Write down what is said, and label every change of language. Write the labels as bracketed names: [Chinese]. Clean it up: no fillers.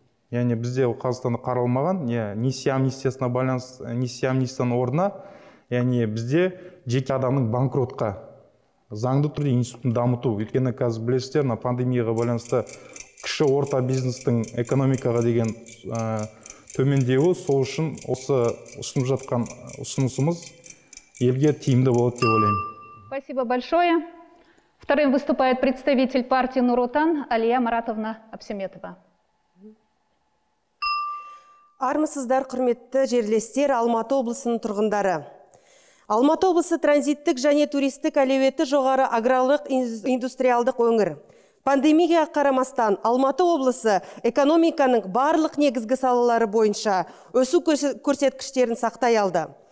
[Kazakh] Яғни бізде Қазақстанда қаралмаған, несие амнистиясына байланысты, несие амнистиясының орнына, яғни бізде жеке адамның банкротқа заңды түрде институтын дамыту. Өйткені қазір білесіздер, мына пандемияға байланысты кіші орта бизнестің экономикаға деген төмендеуі, сол үшін осы ұсынып жатқан ұсынысымыз елге тиімді болады деп ойлаймын. [Russian] Спасибо большое. Вторым выступает представитель партии Нур Отан Алия Маратовна Апсеметова. [Kazakh] Армысыздар, құрметті жерлестер, Алматы облысының тұрғындары. Алматы облысы транзиттік және туристік әлеуеті жоғары аграрлық индустриалдық өңір. Пандемияға қарамастан, Алматы облысы экономиканың барлық негізгі салалары бойынша өсу көрсеткіштерін сақтай алды.